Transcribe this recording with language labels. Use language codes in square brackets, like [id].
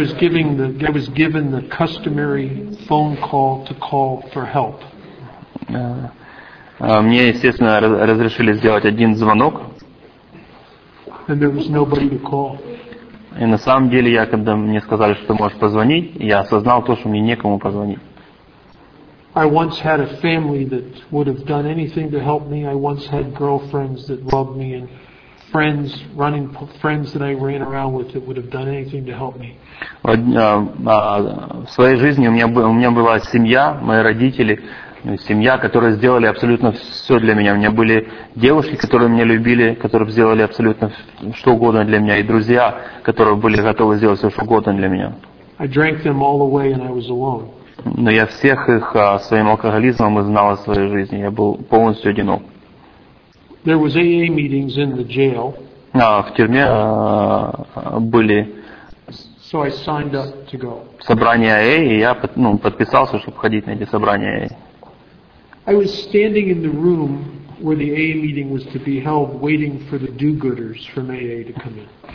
[en] I was given the customary phone call to call for help. [ru] Мне, естественно, разрешили сделать один звонок. [en] And there was nobody to call. [ru] И на самом деле, я, когда мне сказали, что ты можешь позвонить, я осознал то, что мне некому позвонить. В своей жизни у меня была семья, мои родители, семья, которые сделали абсолютно все для меня. У меня были девушки, которые меня любили, которые сделали абсолютно что угодно для меня, и друзья, которые были готовы сделать все, что угодно для меня. [en] I drank them all away and I was alone. [ru] Но я всех их своим алкоголизмом узнал о своей жизни. Я был полностью одинок. [en] There was AA meetings in the jail. [ru] В тюрьме были [en] so I signed up to go. [ru] Собрания AA, и я подписался, чтобы ходить на эти собрания AA. [en] I was standing in the room where the AA meeting was to be held, waiting for the do-gooders from AA to come in.